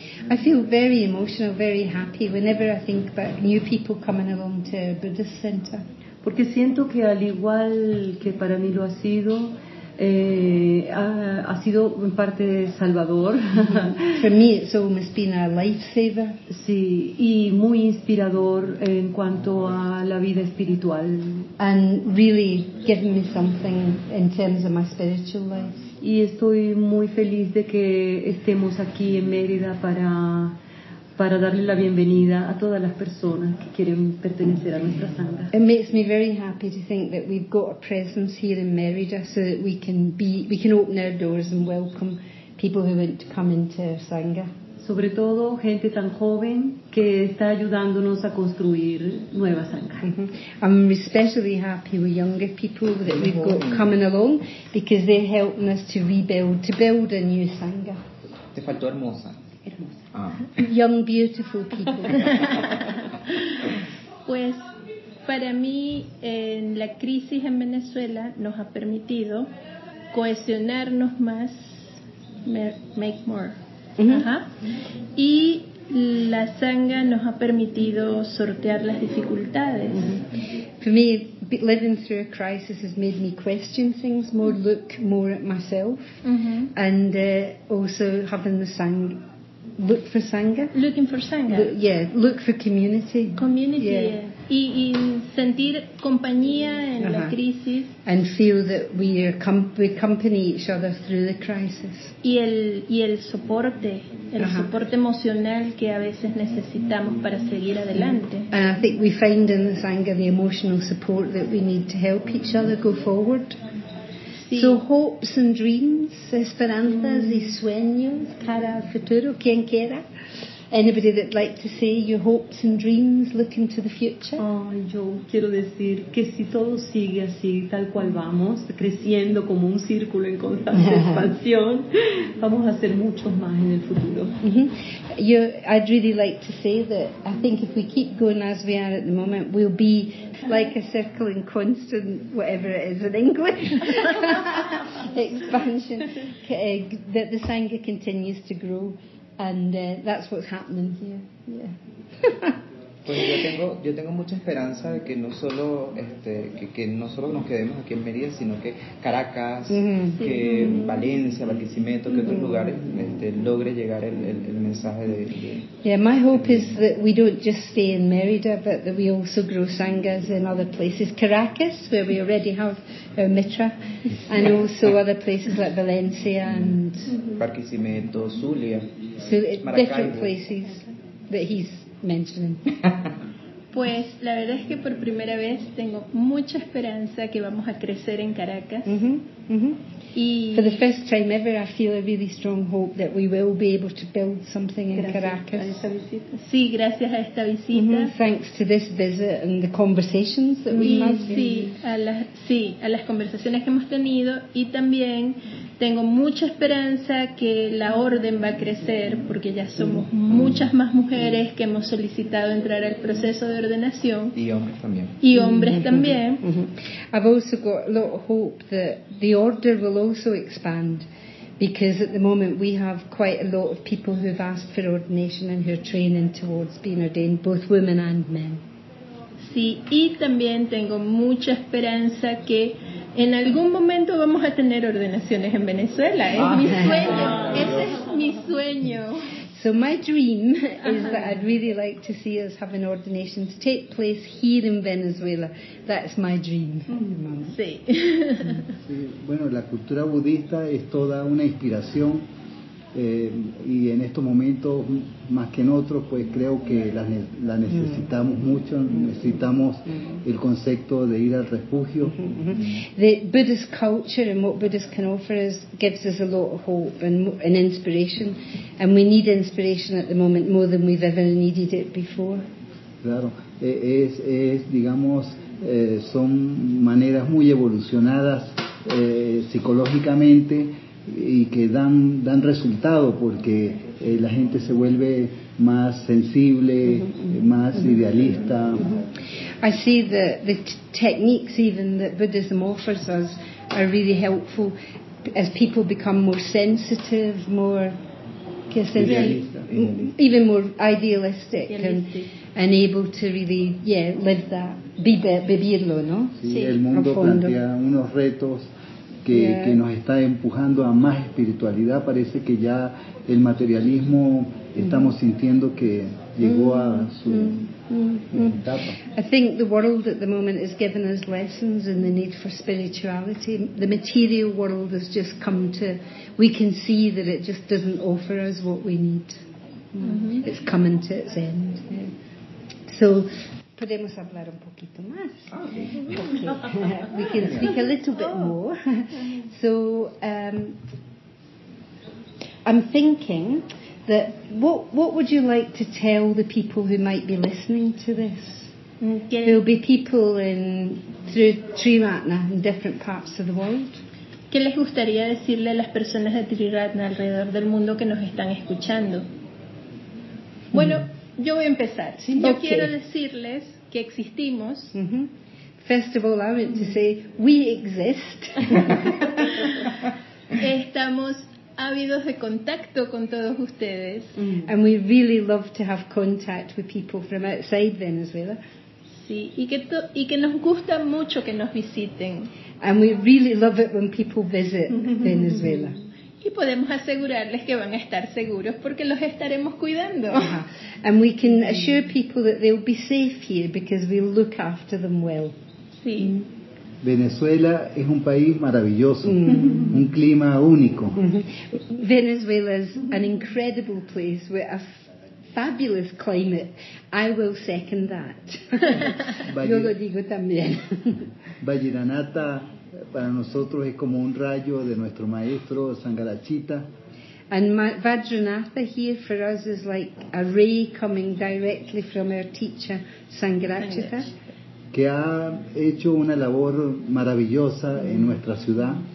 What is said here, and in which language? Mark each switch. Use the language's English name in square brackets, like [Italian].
[English] I feel very emotional, very happy whenever I think about new people coming along to a Buddhist center. [Spanish] Porque siento que al igual que para mí lo ha sido, ha sido en parte salvador. [English] For me it's almost been a lifesaver. [Spanish] Sí, y muy inspirador en cuanto a la vida espiritual. [English] And really given me something in terms of my spiritual life. [Spanish] Y estoy muy feliz de que estemos aquí en Mérida para darle la bienvenida a todas las personas que quieren pertenecer a nuestra sangha. [English] It makes me very happy to think that we've got a presence here in Mérida so that we can open our doors and welcome people who want to come into our sangha. [Spanish] Sobre todo gente tan joven que está ayudándonos a construir nueva sangha. Mm-hmm. [English] I'm especially happy with younger people that we've got coming along because they're helping us to build a new sangha. [Spanish] Te faltó hermosa. [English] Ah. Young, beautiful people. [Spanish] Pues, para mí, la crisis en Venezuela nos ha permitido cohesionarnos más, [English] make more. [Spanish] Uh-huh. Uh-huh. Y la sangha nos ha permitido sortear las dificultades. [English] Uh-huh. For me, living through a crisis has made me question things more, look more at myself, uh-huh. and also having the sangha. Look for sangha. Looking for sangha. Look for community. Community. Yeah. Yeah. [Spanish] Y sentir compañía en uh-huh. la crisis. [English] And feel that we accompany each other through the crisis. [Spanish] Y el soporte, el uh-huh. soporte emocional que a veces necesitamos para seguir adelante. [English] And I think we find in the sangha the emotional support that we need to help each other go forward. So hopes and dreams, [Spanish] esperanzas y sueños para el futuro, quien quiera. [English] Anybody that like to say your hopes and dreams looking to the future? [Spanish] Yo quiero decir que si todo sigue así, tal cual vamos, creciendo como un círculo en constante expansión, vamos a hacer muchos más en el futuro. Mm-hmm. [English] I'd really like to say that I think if we keep going as we are at the moment, we'll be like a circle in constant, whatever it is in English, expansion, that the sangha continues to grow. And that's what's happening here. Yeah. [Spanish] Pues yo tengo mucha esperanza de que no solo nos quedemos aquí en Mérida, sino que Caracas, que Valencia, Barquisimeto, que otros lugares logre llegar el mensaje de [English] Yeah, my hope is that we don't just stay in Mérida, but that we also grow sanghas in other places. Caracas, where we already have our Mitra, and also other places like Valencia and Barquisimeto, Zulia, so different places that he's mentioning. [Spanish] Pues la verdad es que por primera vez tengo mucha esperanza que vamos a crecer en Caracas. [English] For the first time ever, I feel a really strong hope that we will be able to build something in Caracas. [Spanish] Sí, gracias a esta visita. [English] Thanks to this visit and the conversations that we have. [Spanish] Sí, a las conversaciones que hemos tenido, y también tengo mucha esperanza que la orden va a crecer, porque ya somos muchas más mujeres que hemos solicitado entrar al proceso de ordenación. Y hombres también. [English] I've also got a lot of hope that the order will also expand, because at the moment we have quite a lot of people who've asked for ordination and who are training towards being ordained, both women and men. [Spanish] Sí, y también tengo mucha esperanza que en algún momento vamos a tener ordenaciones en Venezuela. Es mi sueño. Ese es mi sueño. [English] So my dream is that I'd really like to see us have an ordination to take place here in Venezuela. That's my dream. [Spanish] Sí. Bueno, la cultura budista es toda una inspiración, y en estos momentos, más que en otros, pues creo que la necesitamos mucho. Necesitamos el concepto de ir al refugio. [English] The Buddhist culture and what Buddhists can offer us gives us a lot of hope and inspiration, and we need inspiration at the moment more than we've ever needed it before. [Spanish] Claro, es digamos son maneras muy evolucionadas psicológicamente, y que dan resultado, porque la gente se vuelve más sensible, más idealista. [English] I see that the techniques even that Buddhism offers us are really helpful as people become more sensitive, more even more idealistic and able to really live that, [Spanish] vivirlo, ¿no? Sí, el mundo plantea unos retos que nos está empujando a más espiritualidad. Parece que ya el materialismo estamos sintiendo que llegó a su etapa. [English] I think the world at the moment has given us lessons in the need for spirituality. The material world has just come to, we can see that it just doesn't offer us what we need. It's coming to its end. So [Spanish] podemos hablar un poquito más. [English] Okay. We can speak a little bit more. So, I'm thinking that what would you like to tell the people who might be listening to this? Okay. There'll be people through Triratna in different parts of the world. [Spanish] ¿Qué les gustaría decirle a las personas de Triratna alrededor del mundo que nos están escuchando? Bueno, yo voy a empezar. Yo quiero decirles que existimos. [English] First of all, I want to say we exist. [Spanish] Estamos ávidos de contacto con todos ustedes. [English] And we really love to have contact with people from outside Venezuela. [Spanish] Sí, y que nos gusta mucho que nos visiten. [English] And we really love it when people visit Venezuela. [Spanish] Y podemos asegurarles que van a estar seguros porque los estaremos cuidando. [English] And we can assure people that they'll be safe here because we'll look after them well. [Spanish] Sí. Venezuela es un país maravilloso, un clima único. [English] Venezuela is an incredible place with a fabulous climate. I will second that. [Spanish] Yo lo digo también. Vallenata para nosotros es como un rayo de nuestro maestro Sangharakshita. [English] And Vajranatha here for us is like a ray coming directly from our teacher Sangharakshita, [Spanish] que ha hecho una labor maravillosa en nuestra ciudad.